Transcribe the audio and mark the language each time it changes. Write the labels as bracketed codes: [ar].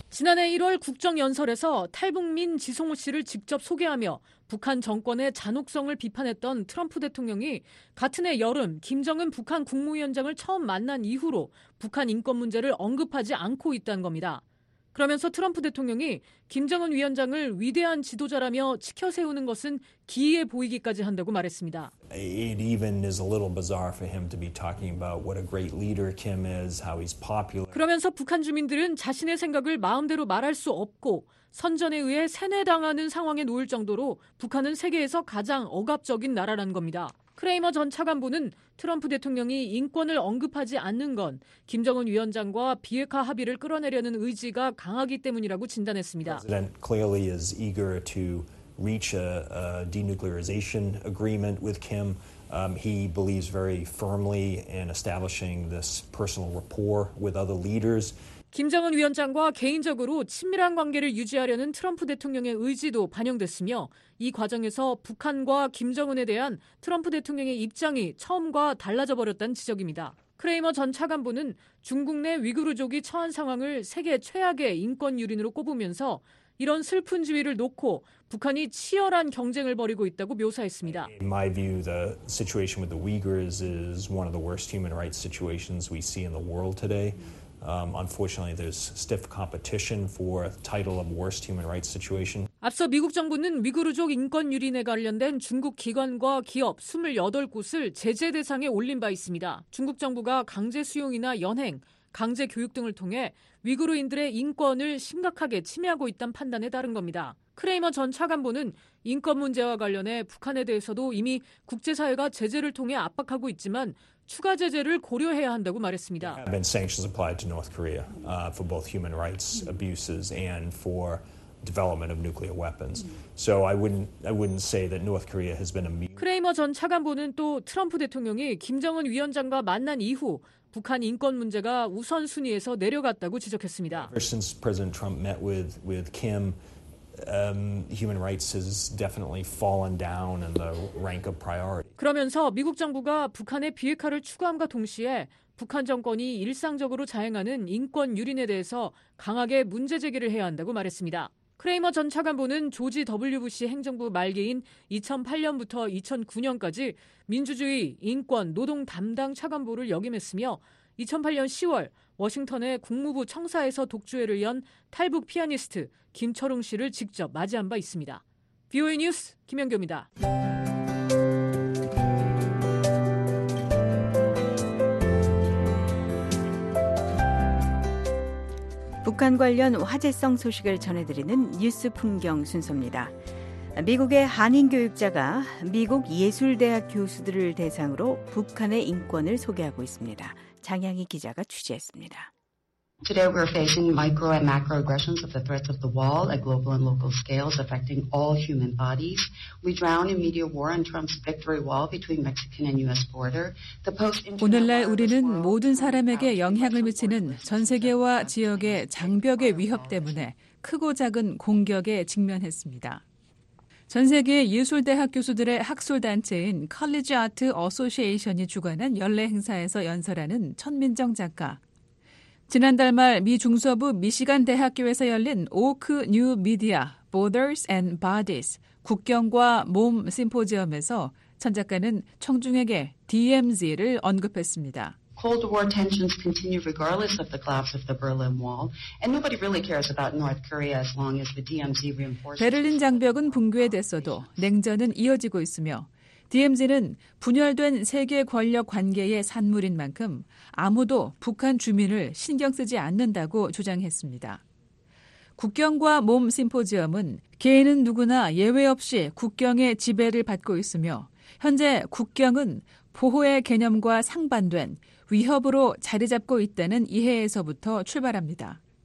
[ko] 지난해 1월 국정연설에서 탈북민 지송호 씨를 직접 소개하며 북한 정권의 잔혹성을 비판했던 트럼프 대통령이 같은 해 여름 김정은 북한 국무위원장을 처음 만난 이후로 북한 인권 문제를 언급하지 않고 있다는 겁니다. 그러면서 트럼프 대통령이 김정은 위원장을 위대한 지도자라며 치켜세우는 것은 기이해 보이기까지 한다고 말했습니다. [en] It even is a little bizarre for him to be talking about what a great leader Kim is, how he's popular. [ko] 그러면서 북한 주민들은 자신의 생각을 마음대로 말할 수 없고 선전에 의해 세뇌당하는 상황에 놓일 정도로 북한은 세계에서 가장 억압적인 나라라는 겁니다. 크레이머 전 차관보는 트럼프 대통령이 인권을 언급하지 않는 건 김정은 위원장과 비핵화 합의를 끌어내려는 의지가 강하기 때문이라고 진단했습니다. [en] President clearly is eager to reach a denuclearization agreement with Kim. He believes very firmly in establishing this personal rapport with other leaders. [ko] 김정은 위원장과 개인적으로 친밀한 관계를 유지하려는 트럼프 대통령의 의지도 반영됐으며 이 과정에서 북한과 김정은에 대한 트럼프 대통령의 입장이 처음과 달라져 버렸다는 지적입니다. 크레이머 전 차관보는 중국 내 위구르족이 처한 상황을 세계 최악의 인권 유린으로 꼽으면서 이런 슬픈 지위를 놓고 북한이 치열한 경쟁을 벌이고 있다고 묘사했습니다. [en] In my view, the situation with the Uyghurs is one of the worst human rights situations we see in the world today. Unfortunately, there's stiff competition for the title of worst human rights situation. [ko] 앞서 미국 정부는 위구르족 인권 유린에 관련된 중국 기관과 기업 28곳을 제재 대상에 올린 바 있습니다. 중국 정부가 강제 수용이나 연행, 강제 교육 등을 통해 위구르인들의 인권을 심각하게 침해하고 있다는 판단에 따른 겁니다. 크레이머 전 차관보는 인권 문제와 관련해 북한에 대해서도 이미 국제사회가 제재를 통해 압박하고 있지만 추가 제재를 고려해야 한다고 말했습니다. [en] There have been sanctions applied to North Korea for both human rights abuses and for development of nuclear weapons. So I wouldn't say that North Korea has been immune. [ko] 크레이머 전 차관보는 또 트럼프 대통령이 김정은 위원장과 만난 이후 북한 인권 문제가 우선순위에서 내려갔다고 지적했습니다. [en] Ever since President Trump met with Kim, human rights has definitely fallen down in the rank of priority. [ko] 그러면서 미국 정부가 북한의 비핵화를 추구함과 동시에 북한 정권이 일상적으로 자행하는 인권 유린에 대해서 강하게 문제 제기를 해야 한다고 말했습니다. 크레이머 전 차관보는 조지 W. 부시 행정부 말기인 2008년부터 2009년까지 민주주의, 인권, 노동 담당 차관보를 역임했으며 2008년 10월 워싱턴의 국무부 청사에서 독주회를 연 탈북 피아니스트 김철웅 씨를 직접 맞이한 바 있습니다. VOA 뉴스 김연교입니다. 북한 관련 화제성 소식을 전해드리는 뉴스 풍경 순서입니다. 미국의 한인 교육자가 미국 예술대학 교수들을 대상으로 북한의 인권을 소개하고 있습니다. 장양희 기자가 취재했습니다. [en] Today we're facing micro and macro aggressions of the threats of the wall at global and local scales affecting all human bodies. We drown in media war and Trump's victory wall between Mexican and U.S. border. The post-internet [ko] 오늘날 우리는 모든 사람에게 영향을 미치는 전 세계와 지역의 장벽의 위협 때문에 크고 작은 공격에 직면했습니다. 전 세계 예술대학 교수들의 학술단체인 College Art Association이 주관한 연례 행사에서 연설하는 천민정 작가. 지난달 말 미 중서부 미시간 대학교에서 열린 오크 뉴 미디아 Borders and Bodies 국경과 몸 심포지엄에서 천 작가는 청중에게 DMZ를 언급했습니다. [en] Cold War tensions continue regardless of the collapse of the Berlin Wall, and nobody really cares about North Korea as long as the DMZ reinforces. [ko] 베를린 장벽은 붕괴됐어도 냉전은 이어지고 있으며 DMZ는 분열된 세계 권력 관계의 산물인 만큼 아무도 북한 주민을 신경 쓰지 않는다고 주장했습니다. 국경과 몸 심포지엄은 개인은 누구나 예외 없이 국경의 지배를 받고 있으며 현재 국경은 보호의 개념과 상반된 위협으로 자리 잡고 있다는 이해에서부터 출발합니다.